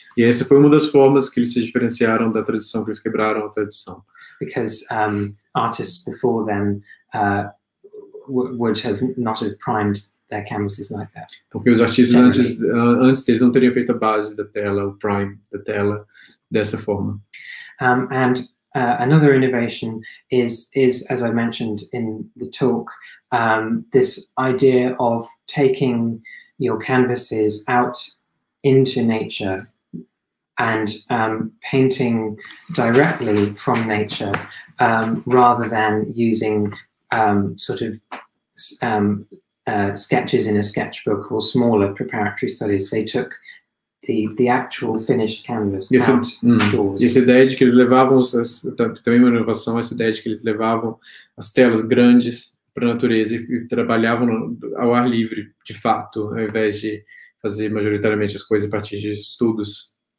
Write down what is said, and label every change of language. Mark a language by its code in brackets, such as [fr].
[pt] E essa foi uma das formas que eles se diferenciaram da tradição, que eles quebraram a tradição. [en] Because artists before them would have not have primed their canvases like that. [pt] Porque os artistas antes deles não teriam feito a base da tela, o prime da tela, dessa forma. [en] And another innovation is, as I mentioned in the talk, this idea of taking your canvases out into nature and painting directly from nature rather than using sketches in a sketchbook or smaller preparatory studies. They took the actual finished canvas outdoors. [pt] Essa ideia de que eles levavam, também uma inovação, essa ideia de que eles levavam as telas grandes para a natureza e trabalhavam ao ar livre, de fato, ao invés de fazer majoritariamente as coisas a partir de estudos.